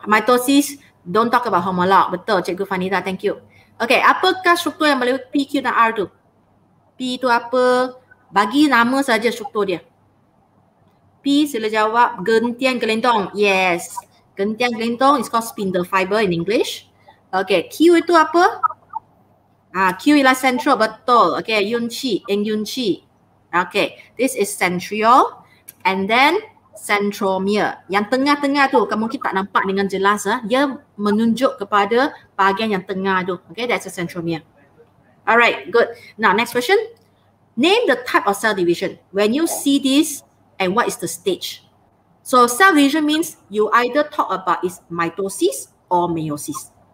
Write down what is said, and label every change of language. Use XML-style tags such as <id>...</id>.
<en>Mitosis, don't talk about homolog.</en> <ms>Betul, Cikgu Fanita. Thank you. Okay, apakah struktur yang boleh P, Q dan R tu? P tu apa? Bagi nama saja struktur dia. P, sila jawab, gentian gelintong.</ms> <en>Yes, gentian gelintong is called spindle fiber in English.</en> <ms>Okay, Q itu apa? Ah, Q ialah central, betul.</ms> <en>Okay, yunqi, eng yunqi. Okay, this is centriole. And then centromere.</en> <ms>Yang tengah-tengah tu, kamu mungkin tak nampak dengan jelas. Ia menunjuk kepada bahagian yang tengah tu.</ms> <en>Okay, that's a centromere. Alright, good. Now, next question. Name the type of cell division. When you see this, and what is the stage? So cell division means you either talk about is mitosis or meiosis.</en>